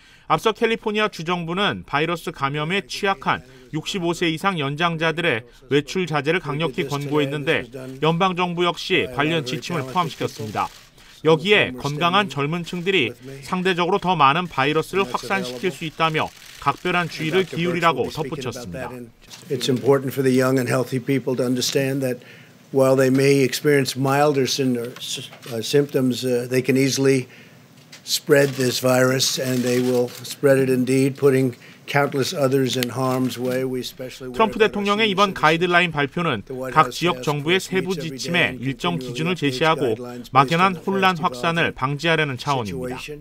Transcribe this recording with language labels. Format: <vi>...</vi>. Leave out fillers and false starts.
<ko>앞서 캘리포니아 주정부는 바이러스 감염에 취약한 65세 이상 연장자들의 외출 자제를 강력히 권고했는데 연방정부 역시 관련 지침을 포함시켰습니다. 여기에 건강한 젊은 층들이 상대적으로 더 많은 바이러스를 확산시킬 수 있다며 각별한 주의를 기울이라고 덧붙였습니다.</ko> <en>It's important for the young and healthy people to understand that while they may experience milder symptoms, they can easily spread this virus and they will spread it indeed, putting countless others in harm's way.</en> <ko>트럼프 대통령의 이번 가이드라인 발표는 각 지역 정부의 세부 지침에 일정 기준을 제시하고 막연한 혼란 확산을 방지하려는 차원입니다.</ko>